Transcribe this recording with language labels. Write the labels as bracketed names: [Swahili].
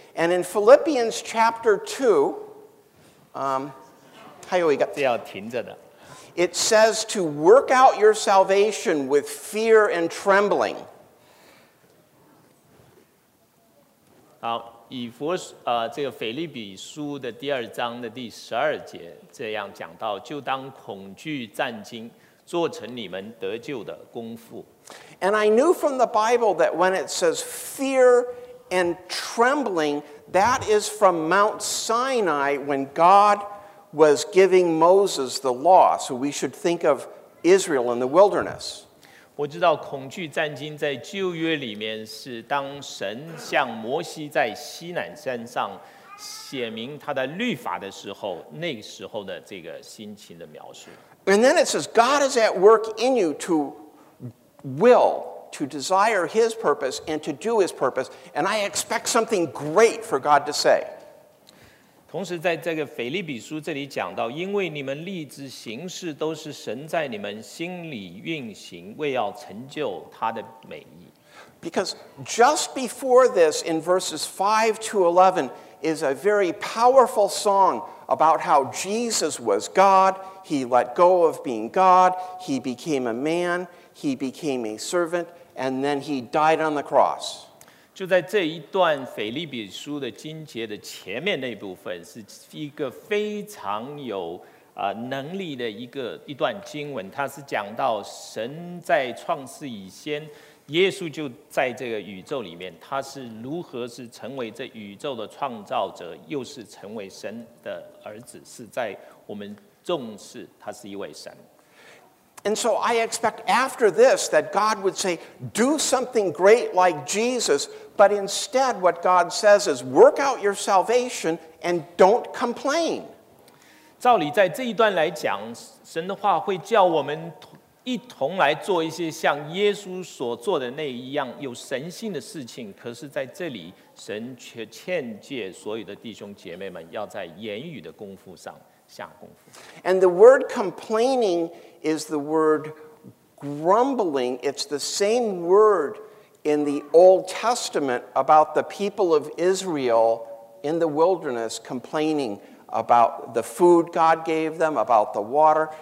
[English] And in Philippians chapter 2, [Chinese] 还有一个, 这要停着的。 [English] It says to work out your salvation with fear and trembling. [Chinese] 好。以弗这个腓立比书的第二章的第十二节这样讲到，就当恐惧战惊，做成你们得救的功夫。 [English] And I knew from the Bible that when it says fear and trembling, that is from Mount Sinai when God was giving Moses the law. So we should think of Israel in the wilderness. [Chinese] 我知道恐惧战惊在旧约里面是当神向摩西在西乃山上写明他的律法的时候，那个时候的这个心情的描述。 [English] And then it says, God is at work in you to will, to desire his purpose and to do his purpose, and I expect something great for God to say. [Chinese] 同时在这个腓立比书这里讲到，因为你们立志行事都是神在你们心里运行，为要成就他的美意。 [English] Because just before this, in verses 5 to 11, is a very powerful song about how Jesus was God. He let go of being God. He became a man. He became a servant. And then he died on the cross. [Chinese] 就在这一段腓立比书的经节的前面那部分，是一个非常有能力的一段经文。它是讲到神在创世以先，耶稣就在这个宇宙里面，他是如何是成为这宇宙的创造者，又是成为神的儿子，是在我们重视他是一位神。 [English] And so I expect after this that God would say, do something great like Jesus, but instead what God says is, work out your salvation and don't complain. [Chinese] 照理在这一段来讲，神的话会叫我们一同来做一些像耶稣所做的那一样有神性的事情，可是在这里，神却劝诫所有的弟兄姐妹们要在言语的功夫上下功夫。 [English] And the word complaining is the word grumbling. It's the same word in the Old Testament about the people of Israel in the wilderness complaining about the food God gave them, about the water.